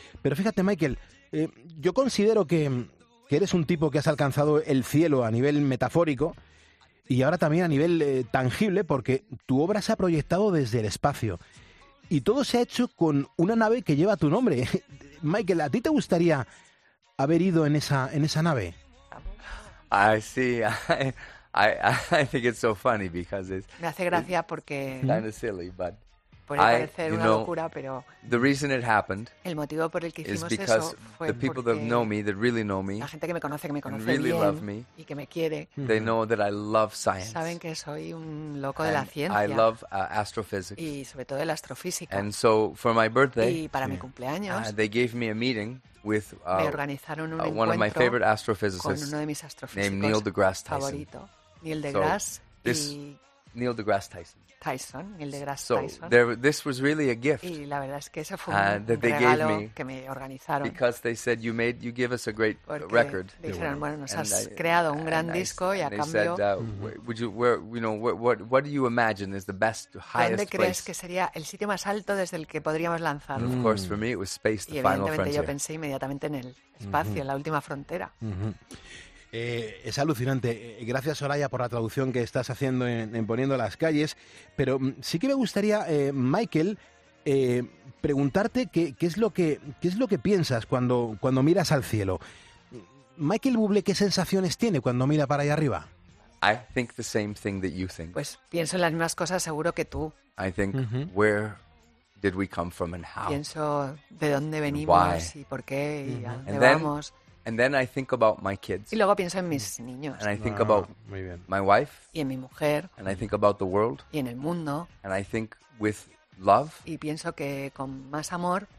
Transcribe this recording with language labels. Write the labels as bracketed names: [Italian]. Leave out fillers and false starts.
[Spanish] Pero fíjate, Michael, yo considero que eres un tipo que has alcanzado el cielo a nivel metafórico. Y ahora también a nivel tangible, porque tu obra se ha proyectado desde el espacio. Y todo se ha hecho con una nave que lleva tu nombre. Michael, ¿a ti te gustaría haber ido en esa nave? [English] I see. I think it's so funny because it's... [Spanish] Me hace gracia porque... [English] Kind of silly, but... [Spanish] Puede parecer una locura, pero... [English] The reason it happened... [Spanish] El motivo por el que hicimos eso fue porque... [English] The people that know me, that really know me... [Spanish] La gente que me conoce [English] really [Spanish] bien... [English] Love me, [Spanish] y que me quiere... [English] They know that I love science. [Spanish] Saben que soy un loco de la ciencia. [English] I love astrophysics. [Spanish] Y sobre todo de la astrofísica. [English] And so, for my birthday... [Spanish] Y para mi cumpleaños... [English] They gave me a meeting with... [Spanish] me organizaron un encuentro... [English] One of my favorite astrophysicists... [Spanish] Con uno de mis astrofísicos... [English] Named Neil deGrasse Tyson. [Spanish] Favorito. Neil deGrasse y... [English] Neil deGrasse Tyson. [Spanish] Tyson, Neil deGrasse [English] so Tyson. So this was really a gift. [Spanish] Y la verdad es que ese fue un regalo que me organizaron. [English] Because they said you give us a great [Spanish] porque [English] record. [Spanish] Dijeron, bueno, nos has creado un gran disco y a cambio. [English] They said, what do you imagine is the best, highest place? [Spanish] ¿Dónde crees [English] place? [Spanish] Que sería el sitio más alto desde el que podríamos lanzar? [English] Of course, for me it was space, the final frontier. [Spanish] Y evidentemente yo pensé inmediatamente en el espacio, en la última frontera. Es alucinante. Gracias, Soraya, por la traducción que estás haciendo en Poniendo las Calles. Pero sí que me gustaría, Michael, preguntarte qué es lo que piensas cuando miras al cielo. Michael Bublé, ¿qué sensaciones tiene cuando mira para allá arriba? [English] I think the same thing that you think. [Spanish] Pues pienso en las mismas cosas, seguro que tú. [English] I think where did we come from and how. [Spanish] Pienso de dónde venimos y por qué y a dónde vamos. [English] And then I think about my kids. [Spanish] Y luego pienso en mis niños. [English] And I think about my wife. [Spanish] Y en mi mujer. [English] And I think about the world. [Spanish] Y en el mundo. [English] And I think with love. [Spanish] Y pienso que con más amor.